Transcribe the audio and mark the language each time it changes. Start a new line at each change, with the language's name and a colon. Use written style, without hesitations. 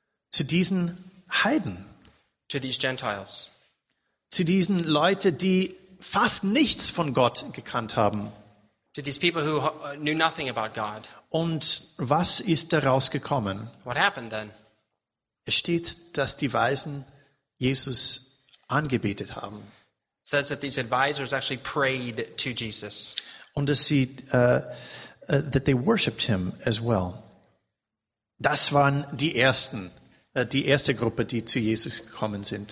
German: Zu diesen Heiden.
English: To these Gentiles.
German: Zu diesen Leuten, die fast nichts von Gott gekannt haben.
English: To these people who knew nothing about God.
German: Und was ist daraus gekommen?
English: What happened then?
German: Es steht, dass die Weisen Jesus angebetet haben.
English: It says that these advisors actually prayed to Jesus.
German: Und dass sie
English: that they worshipped him as well.
German: Das waren die ersten, die erste Gruppe, die zu Jesus gekommen sind.